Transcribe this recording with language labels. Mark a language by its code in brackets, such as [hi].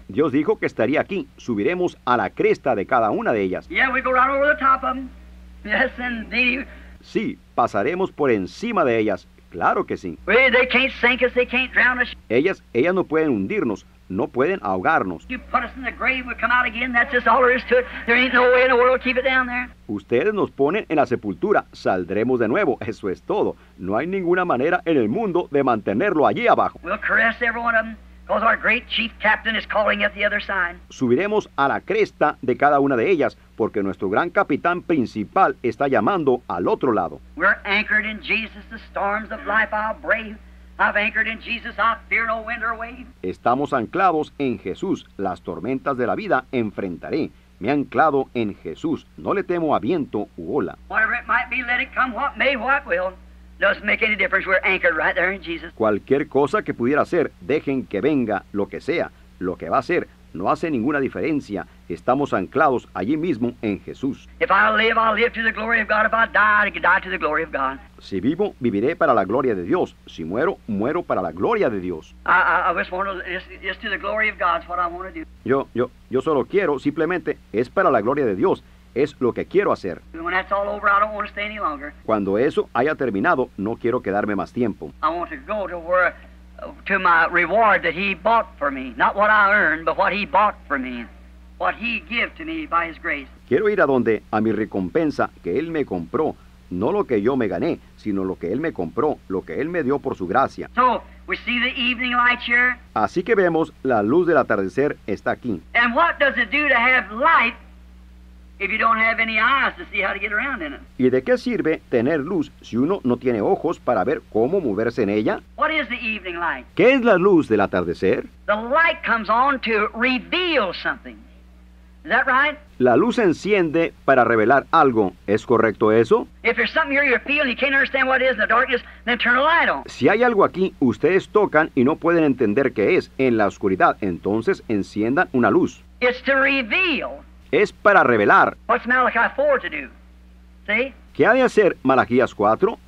[es] Dios dijo que estaría aquí. Subiremos a la cresta de cada una de ellas. [en] Yeah, we go right over the top of them. Yes, indeed. [es] Sí, pasaremos por encima de ellas. Claro que sí. [en] Well, they can't sink us. They can't drown us. [es] Ellas no pueden hundirnos. No pueden ahogarnos. [en] You put us in the grave, we'll come out again. That's just all there is to it. There ain't no way in the world to keep it down there. [es] Ustedes nos ponen en la sepultura. Saldremos de nuevo. Eso es todo. No hay ninguna manera en el mundo de mantenerlo allí abajo. [en] We'll caress every one of them, because our great chief captain is calling at the other side. [es] Subiremos a la cresta de cada una de ellas, porque nuestro gran capitán principal está llamando al otro lado. [en] We're anchored in Jesus, the storms of life I'll brave. I've anchored in Jesus, I fear no wind or wave. [es] Estamos anclados en Jesús, las tormentas de la vida enfrentaré. Me he anclado en Jesús, no le temo a viento u ola. [en] Whatever it might be, let it come what may, what will. Doesn't make any difference. We're anchored right there in Jesus. [es] Cualquier cosa que pudiera hacer, dejen que venga lo que sea, lo que va a ser, no hace ninguna diferencia. Estamos anclados allí mismo en Jesús. [en] If I live, I'll live to the glory of God. If I die, I can die to the glory of God. [es] Si vivo, viviré para la gloria de Dios. Si muero, muero para la gloria de Dios. [en] I just want to, just to the glory of God is what I want to do. [es] Yo solo quiero, simplemente, es para la gloria de Dios. Es lo que quiero hacer. [en] When that's all over, I don't want to stay any longer. [es] Cuando eso haya terminado, no quiero quedarme más tiempo. [en] I want to go to where, to my reward that he bought for me. Not what I earned, but what he bought for me. What he gave to me by his grace. [es] Quiero ir a donde, a mi recompensa que él me compró. No lo que yo me gané, sino lo que él me compró, lo que él me dio por su gracia. [en] So, we see the evening light here. [es] Así que vemos, la luz del atardecer está aquí. [en] And what does it do to have light if you don't have any eyes to see how to get around in it? [es] ¿Y de qué sirve tener luz si uno no tiene ojos para ver cómo moverse en ella? [en] What is the evening light? [es] ¿Qué es la luz del atardecer? [en] The light comes on to reveal something. Is that right? [es] La luz enciende para revelar algo. ¿Es correcto eso? [en] If there's something here you feel and you can't understand what it is in the darkness, then turn a light on. [es] Si hay algo aquí, ustedes tocan y no pueden entender qué es en la oscuridad, entonces enciendan una luz. [en] It's to reveal. [es] Es para revelar. [en] What's Malachi 4 to do? See? [es] ¿Qué ha de hacer Malaquías 4?